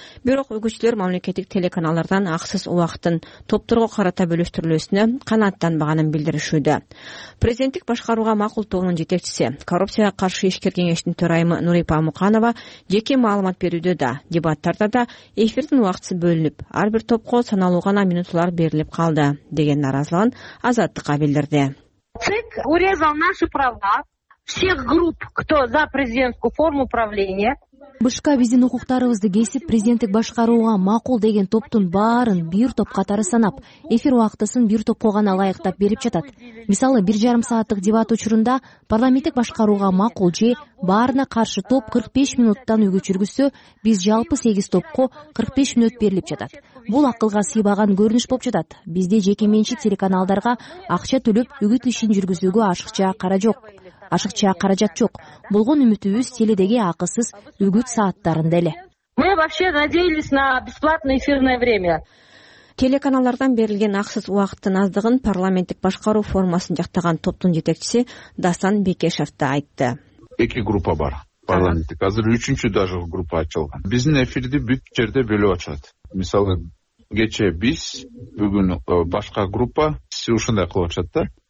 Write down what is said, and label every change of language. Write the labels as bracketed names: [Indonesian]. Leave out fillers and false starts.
[Kyrgyz] Бирок үгүтчүлөр мамлекеттик телеканалдардан акысыз убакытын топторго карата бөлүштүрүлүүсүнө канааттанбаганын билдиришүүдө. Президенттик башкарууга макул тобунун жетекчиси, коррупцияга каршы ишкер кеңештин төрайымы Нурипа Муканова жеке маалымат берүүдө да, дебаттарда да эфирдин убактысы бөлүнүп, ар бир топко саналуу гана минуттар берилип калды деген нааразылыгын Азаттыкка билдирди. [Russian] ЦИК урезал наши права всех групп, кто за президентскую форму правления. [Kyrgyz] БШК биздин укуктарыбызды кесип, президенттик башкарууга макул деген топтун баарын бир топ катары санап, эфир убактысын бир топко гана ылайыктап берип жатат. Мисалы, 1.5 сааттык дебат учурунда парламенттик башкарууга макул же баарына каршы топ 45 минуттан үгүт жүргүзсө, биз жалпы 8 топко 45 мүнөт берилип жатат. Бул акылга сыйбаган көрүнүш болуп жатат. Бизде жеке менчик телеканалдарга акча төлөп, үгүт ишин жүргүзүүгө ашыкча кара жок. Ашыкча каражат жок. Болгон үмүтүбүз теледеги акысыз үгүт сааттарында эле. [Russian] Мы вообще надеялись на бесплатное эфирное время. [Kyrgyz] Телеканалдардан берилген акысыз убакыттын аздыгын парламенттик башкаруу формасын жактаган топтун жетекчиси Дастан Бекешев да айтты. Эки группа бар. Парламенттик азыр үчүнчү даже группа ачылган. Биздин эфирди бүт жерде бөлүп ачат. Мисалы, кечээ биз, бүгүн башка группа, ушундай кылып ачат да.